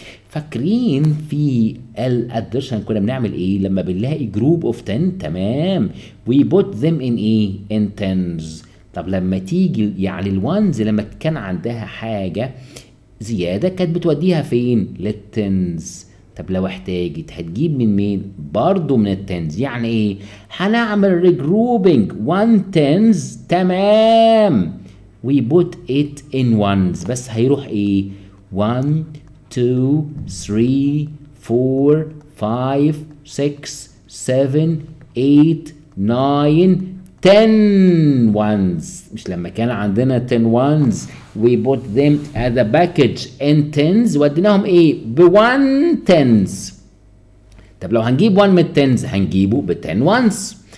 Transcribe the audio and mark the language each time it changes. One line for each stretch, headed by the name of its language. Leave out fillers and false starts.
Arabic: فاكرين في الادشن كنا بنعمل ايه لما بنلاقي جروب اوف 10؟ تمام
English: we put them in
Arabic: ايه؟ ان 10s. طب لما تيجي يعني ال 1s لما كان عندها حاجه زياده كانت بتوديها فين؟ لل 10s. طب لو احتاجت هتجيب من مين؟ برضو من التنز. يعني ايه؟ هنعمل regrouping one tens تمام
English: we put it in ones
Arabic: بس هيروح ايه؟ 1, 2, 3, 4, 5, 6, 7, 8, 9, 10 ones. مش لما كان عندنا
English: 10 ones we put them as a package in tens
Arabic: وديناهم ايه؟ ب
English: 1 tens.
Arabic: طب لو هنجيب 1 من tens هنجيبه ب 10 ones.